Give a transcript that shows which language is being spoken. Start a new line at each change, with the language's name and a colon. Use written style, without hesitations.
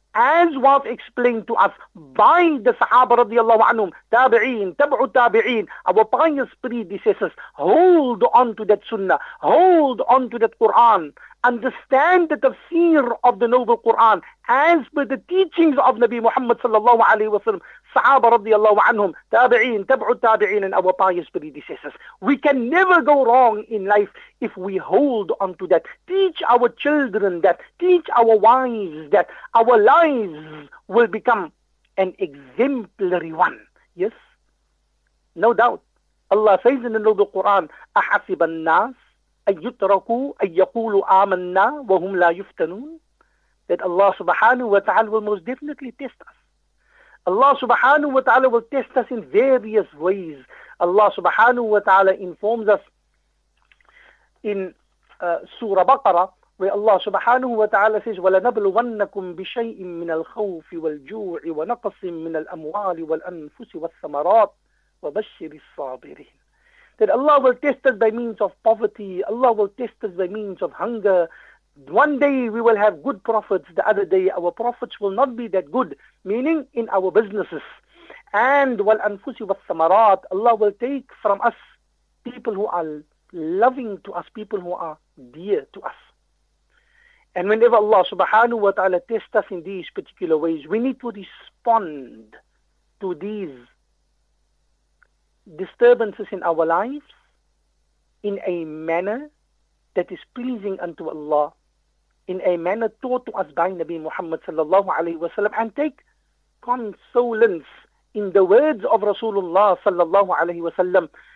English: as was explained to us by the Sahaba radiallahu anhum, tabi'in, tabu tabi'in, our pious predecessors, hold on to that sunnah, hold on to that Quran, understand the tafsir of the noble Quran as per the teachings of Nabi Muhammad sallallahu alayhi wa sallam, Sahaba radiallahu anhum, tabi'in, tabu tabi'in, and our pious predecessors. We can never go wrong in life if we hold on to that. Teach our children that, teach our wives that, our lives will become an exemplary one. Yes? No doubt. Allah says in the Noble Quran,
Arabic: أحسب الناس أن يتركوا أن يقولوا آمنا وهم لا يفتنون.
English: That Allah subhanahu wa ta'ala will most definitely test us. Allah subhanahu wa ta'ala will test us in various ways. Allah subhanahu wa ta'ala informs us in Surah Baqarah, where Allah subhanahu wa ta'ala says,
Arabic: وَلَنَبْلُوَنَّكُمْ بِشَيْءٍ مِّنَ الْخَوْفِ وَالْجُوعِ وَنَقَصٍ مِّنَ الْأَمْوَالِ وَالْأَنفُسِ وَالثَّمَرَاتِ وَبَشِّرِ الصَّابِرِينَ.
English: That Allah will test us by means of poverty. Allah will test us by means of hunger. One day we will have good profits. The other day our profits will not be that good, meaning in our businesses. And
Arabic: وَالْأَنفُسِ وَالثَّمَرَاتِ.
English: Allah will take from us people who are loving to us, people who are dear to us. And whenever Allah subhanahu wa ta'ala tests us in these particular ways, we need to respond to these disturbances in our lives in a manner that is pleasing unto Allah, in a manner taught to us by Nabi Muhammad sallallahu alayhi wa sallam, and take consolence in the words of Rasulullah sallallahu alayhi wa sallam.